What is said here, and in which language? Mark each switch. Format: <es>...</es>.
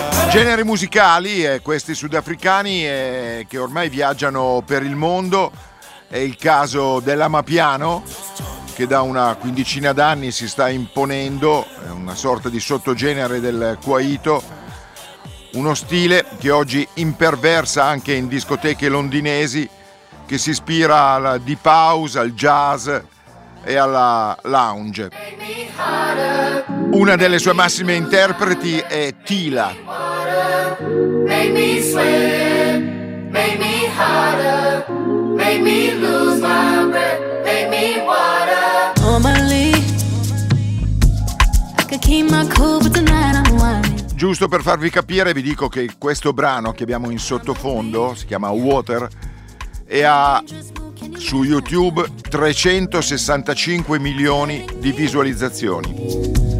<it>Generi musicali e questi sudafricani che ormai viaggiano per il mondo, è il caso dell'amapiano, che da una quindicina d'anni si sta imponendo, è una sorta di sottogenere del kwaito, uno stile che oggi imperversa anche in discoteche londinesi, che si ispira al deep house, al jazz e alla lounge. Una delle sue massime interpreti è Tila.</it> <en>Make me swim, make me harder, make me lose my breath, make me water. Normally, I could keep my cool, but tonight I'm wild.</en> <it>Giusto per farvi capire, vi dico che questo brano che abbiamo in sottofondo si chiama Water e ha su YouTube 365 milioni di visualizzazioni.</it>